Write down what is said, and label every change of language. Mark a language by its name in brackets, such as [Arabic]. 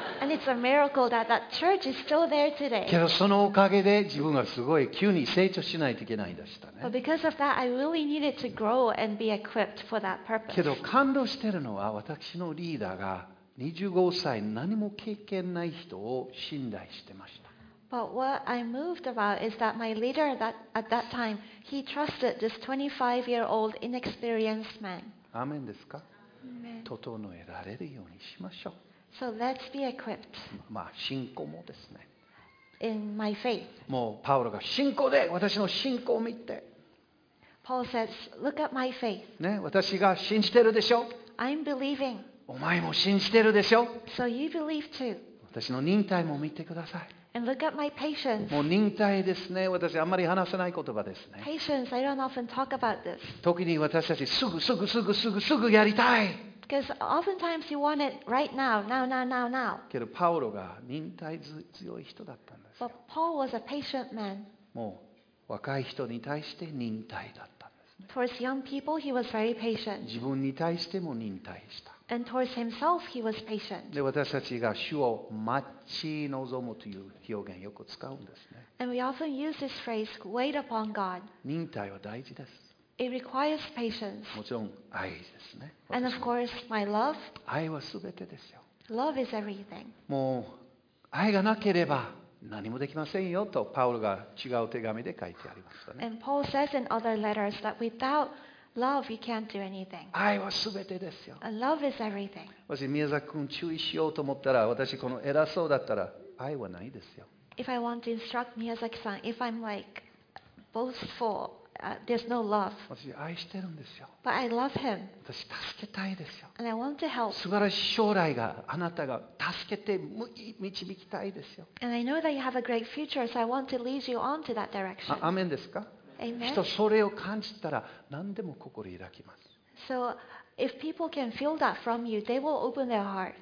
[English] And it's a miracle that that church is still there today. [Japanese] けどそのおかげで自分がすごい急に成長しないといけないでしたね。 [English] But because of that, I really needed to grow and be equipped for that purpose. [Japanese] けど感動してるのは私のリーダーが25歳何も経験ない人を信頼してました。 [English] But what I'm moved about is that my leader that at that time he trusted this 25-year-old inexperienced man. [Japanese] アーメンですか？ [English] Amen. [Japanese] 整えられるようにしましょう。 [English] So let's be equipped. [Japanese] まあ信仰もですね。 [English] In my faith. [Japanese] もうパウロが信仰で私の信仰を見て。 [English] Paul says, look at my faith. [Japanese] ね、私が信じてるでしょ。 [English] I'm believing. [Japanese] お前も信じてるでしょ。 [English] So you believe too. [Japanese] 私の忍耐も見てください。 [English] And look at my patience. [Japanese] もう忍耐ですね。私あんまり話せない言葉ですね。 [English] Patience, I don't often talk about this. [Japanese] 時に私たちすぐやりたい。 [English] Because oftentimes you want it right now, now, now, now, now. [Japanese] けどパウロが忍耐強い人だったんですよ。 [English] But Paul was a patient man. もう [Japanese] 若い人に対して忍耐だったんですね。 [English] Towards young people, he was very patient. [Japanese] 自分に対しても忍耐した。 [English] And towards himself, he was patient. [Japanese] で、私たちが主を待ち望むという表現をよく使うんですね。 [English] And we often use this phrase, wait upon God. [Japanese] 忍耐は大事です。 [English] It requires patience. [Japanese] もちろん愛ですね。 [English] And of course, my love. [Japanese] 愛は全てですよ。 [English] Love is everything. [Japanese] もう愛がなければ何もできませんよとパウロが違う手紙で書いてありましたね。 [English] And Paul says in other letters that without love you can't do anything. [Japanese] 愛は全てですよ。 [English] And love is everything. [Japanese] 私宮崎君注意しようと思ったら、私この偉そうだったら愛はないですよ。 [English] If I want to instruct Miyazaki-san, if I'm like boastful, there's no love. [Japanese] 私愛してるんですよ。 [English] But I love him. [Japanese] 私助けたいですよ。 [English] And I want to help. [Japanese] 素晴らしい将来があなたが助けて導きたいですよ。 [English] And I know that you have a great future, so I want to lead you on to that direction. [Japanese] アーメンですか？ [English] Amen. [Japanese] 人それを感じたら何でも心開きます。 [English] So if people can feel that from you, they will open their heart.